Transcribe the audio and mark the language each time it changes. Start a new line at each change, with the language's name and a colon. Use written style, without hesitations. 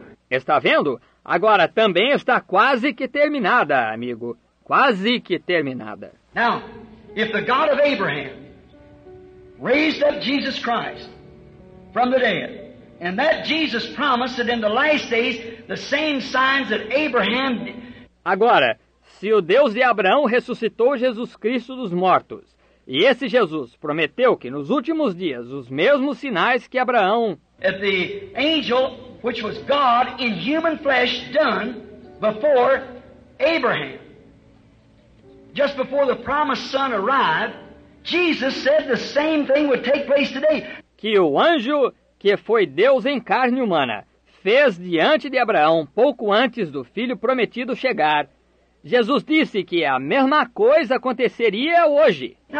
Portuguese: Está vendo? Agora também está quase que terminada, amigo. Quase que terminada.
English: Now, if the God of Abraham raised up Jesus Christ from the dead, and that Jesus promised that in the last days the same signs that Abraham did.
Portuguese: Agora, se o Deus de Abraão ressuscitou Jesus Cristo dos mortos, e esse Jesus prometeu que nos últimos dias os mesmos sinais que Abraão
English: at the angel which was God in human flesh done before Abraham. Just before the promised son arrived, Jesus said the same thing would take place today.
Portuguese: Que o anjo que foi Deus em carne humana fez diante de Abraão pouco antes do filho prometido chegar. Jesus disse que a mesma coisa aconteceria hoje.